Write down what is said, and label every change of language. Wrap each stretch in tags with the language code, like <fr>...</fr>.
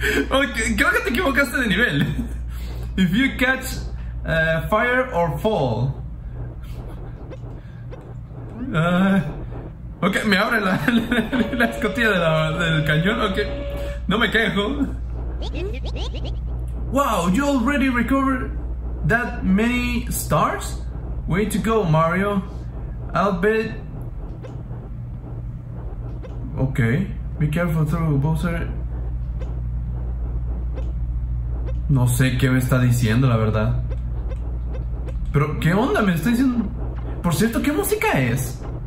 <es>Okay, creo que te equivocaste de nivel.</es> <en>If you catch fire or fall.</en> <es>Ok, me abre la escotilla del cañón. Ok, no me quejo.</es> <en>Wow, you already recovered that many stars? Way to go, Mario. I'll bet. Ok, be careful through Bowser.</en> <es>No sé qué me está diciendo, la verdad. Pero, ¿qué onda? Me está diciendo. Por cierto, ¿qué música es?</es>